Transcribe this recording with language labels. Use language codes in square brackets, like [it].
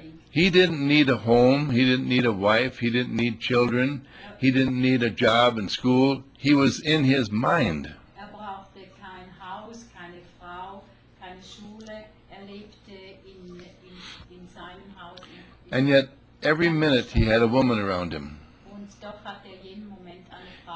[en] He didn't need a home, he didn't need a wife, he didn't need children, he didn't need a job in school, he was in his mind. [de] Er brauchte kein Haus, keine Frau, keine Schule, er lebte in seinem Haus. [en] And yet, every minute he had a woman around him. [de] Und doch hatte er jeden Moment eine Frau.